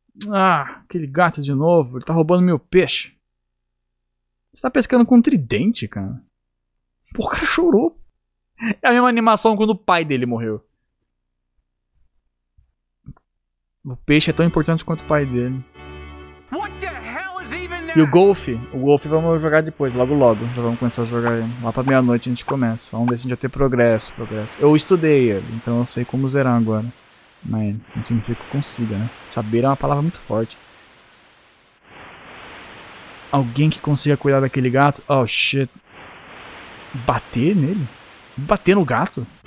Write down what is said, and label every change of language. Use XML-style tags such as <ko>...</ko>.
<pt>Ah, aquele gato de novo. Ele tá roubando meu peixe. Você tá pescando com um tridente, cara. Pô, o cara chorou. É a mesma animação quando o pai dele morreu. O peixe é tão importante quanto o pai dele.</pt> <en>What the hell is even that?</en> <pt>E o golfe? O golfe vamos jogar depois, logo. Já vamos começar a jogar ele. Lá pra meia-noite a gente começa. Vamos ver se a gente vai ter progresso. Eu estudei ele, então eu sei como zerar agora. Mas não significa que eu consiga, né? Saber é uma palavra muito forte. Alguém que consiga cuidar daquele gato? Oh, shit. Bater nele? Bater no gato?</pt>